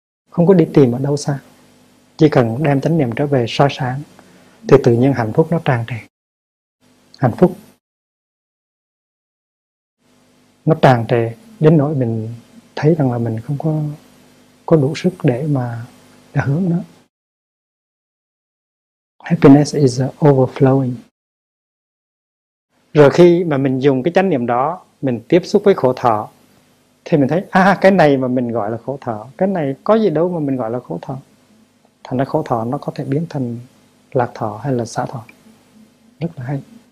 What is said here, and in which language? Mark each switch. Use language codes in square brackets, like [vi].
[vi] Không có đi tìm ở đâu xa. Chỉ cần đem chánh niệm trở về soi sáng thì tự nhiên hạnh phúc nó tràn trề. Hạnh phúc nó tràn trề đến nỗi mình thấy rằng là mình không có đủ sức để mà để hướng nó. [en] Happiness is overflowing. [vi] Rồi khi mà mình dùng cái chánh niệm đó, mình tiếp xúc với khổ thọ, thì mình thấy cái này mà mình gọi là khổ thọ, cái này có gì đâu mà mình gọi là khổ thọ. Thành ra khổ thọ nó có thể biến thành lạc thọ hay là xả thọ. Rất là hay.